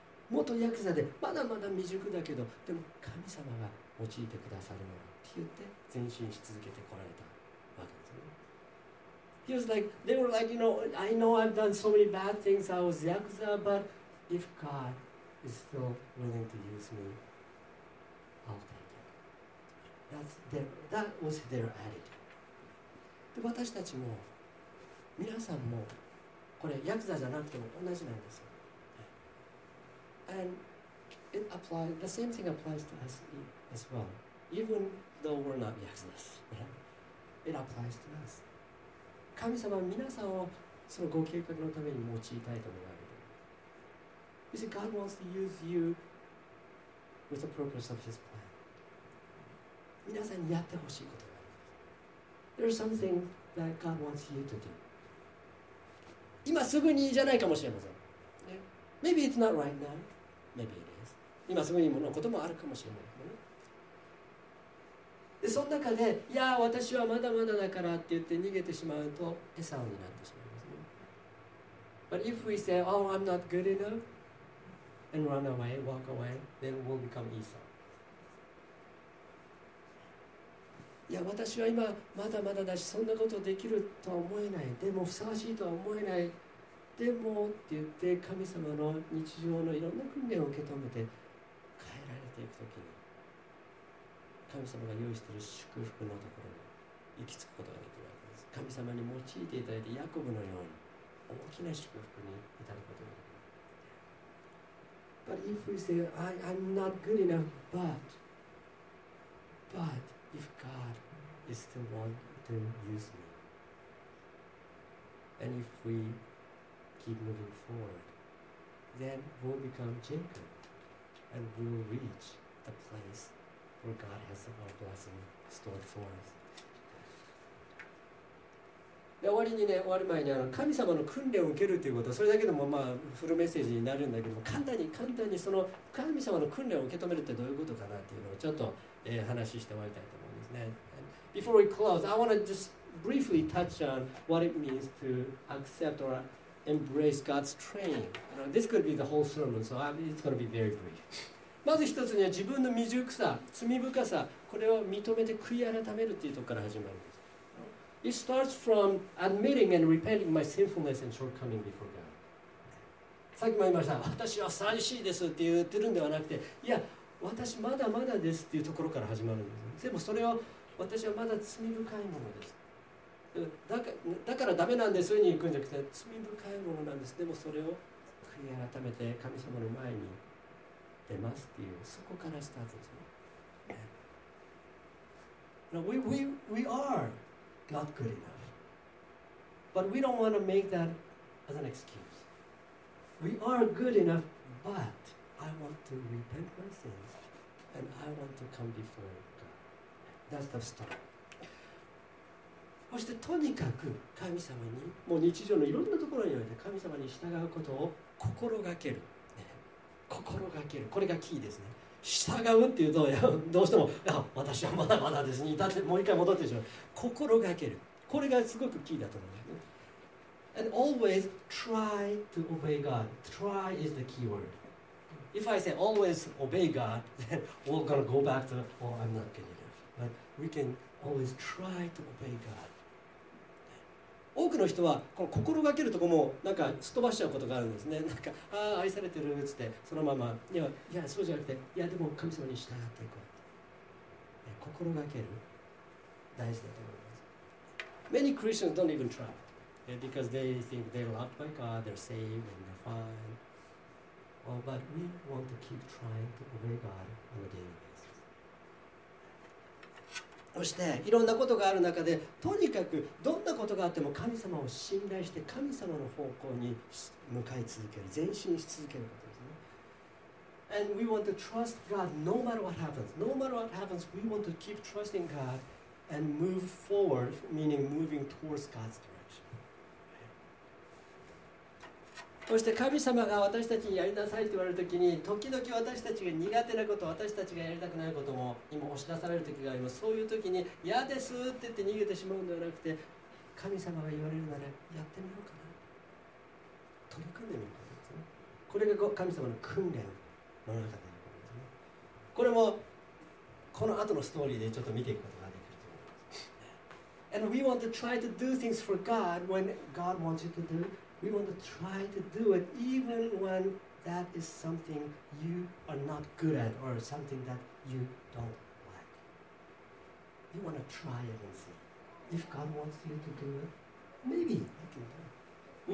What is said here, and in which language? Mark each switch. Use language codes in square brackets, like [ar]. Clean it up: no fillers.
[ja] 元ヤクザでまだまだ未熟だけど、でも神様が用いてくださるのはって言って前進し続けてこられたわけですね。 [en] He was like, they were like, you know, I know I've done so many bad things, I was Yakuza, but... If God is still willing to use me, I'll take it. That was their attitude. [ja] で私たちも皆さんもこれヤクザじゃなくても同じなんですよ。 [en] And it applies. The same thing applies to us as well. Even though we're not Yakuzas, it applies to us. [ja] 神様は皆さんをそのご計画のために用いたいと思います。 [en] You see, God wants to use you with the purpose of His plan. [ja] 皆さんにやってほしいことがあります。 [en] There is something that God wants you to do. [ja] 今すぐにじゃないかもしれません。 [en] Yeah. Maybe it's not right now. Maybe it is. [ja] 今すぐにものこともあるかもしれない。で、その中で、いや、私はまだまだだからって言って逃げてしまうと、エサになってしまいますね。 [en] But if we say, oh, I'm not good enough,and run away, walk away, then we'll become Esau. [ja] いや、私は今まだまだだし、そんなことできるとは思えない。でもふさわしいとは思えない。でもって言って神様の日常のいろんな訓練を受け止めて変えられていくときに、神様が用意している祝福のところに行き着くことができるわけです。神様に用いていただいてヤコブのように大きな祝福に至ることができる。 [en] But if we say, I'm not good enough, but if God is the one to use me, and if we keep moving forward, then we'll become Jacob, and we'll reach the place where God has our blessing stored for us. [ja] で終わりにね、終わる前にあの神様の訓練を受けるということ、それだけでもまあフルメッセージになるんだけども、簡単にその神様の訓練を受け止めるってどういうことかなっていうのをちょっと、話して終わりたいと思うんですね。 [en] Before we close, I want to just briefly touch on what it means to accept or embrace God's training. You know, this could be the whole sermon, so it's going to be very brief. [ja] まず一つには自分の未熟さ、罪深さ、これを認めて悔い改めるっていうところから始まる。 [en] It starts from admitting and repenting my sinfulness and shortcoming before God. [ja] さっきも言いました。私は寂しいですって言ってるんではなくて、いや、私まだまだですっていうところから始まるんです。でもそれは私はまだ罪深いものです。だからダメなんです、そういうふうに行くんじゃなくて、罪深いものなんです。でもそれを悔い改めて神様の前に出ますっていう、そこからスタートですね。 [en] Now, we are. Not good enough. But we don't want to make that as an excuse. We are good enough, but I want to repent my sins and I want to come before God. That's the start. [ja] そしてとにかく神様に、もう日常のいろんなところにおいて神様に従うことを心がける。ね、心がける。これがキーですね。従うっていうと、どうしても、いや、私はまだまだですに至って、もう一回戻ってしまう。心がける。これがすごくキーだと思う。 [en] And always try to obey God. Try is the key word. If I say always obey God, then we're going to go back to, oh, I'm not good enough. But we can always try to obey God. [ja] 多くの人はこの心がけるところもなんかすっ飛ばしちゃうことがあるんですね。なんか、ああ、愛されてるっつって、そのまま、いや、そうじゃなくて、いや、でも神様に従っていこう。心がける、大事だと思います。 [en] Many Christians don't even try because they think they're loved by God, they're saved and they're fine. Well, but we want to keep trying to obey God on a daily basis. [ja] そしていろんなことがある中でとにかくどんなことがあっても神様を信頼して神様の方向に向かい続ける前進し続けることですね。 [en] And we want to trust God no matter what happens. No matter what happens, we want to keep trusting God and move forward, meaning moving towards God's direction. [ja] そして神様が私たちにやりなさいって言われるときに、時々私たちが苦手なこと、私たちがやりたくないことも今押し出されるときがあります。そういうときに、嫌ですって言って逃げてしまうんではなくて、神様が言われるならやってみようかな。取り組んでみようかな。これが神様の訓練の中でのことですね。これもこの後のストーリーでちょっと見ていくことができると思います。 [en] And we want to try to do things for God when God wants you to do. We want to try to do it even when that is something you are not good at or something that you don't like. You want to try it and see. If God wants you to do it, maybe I can do it.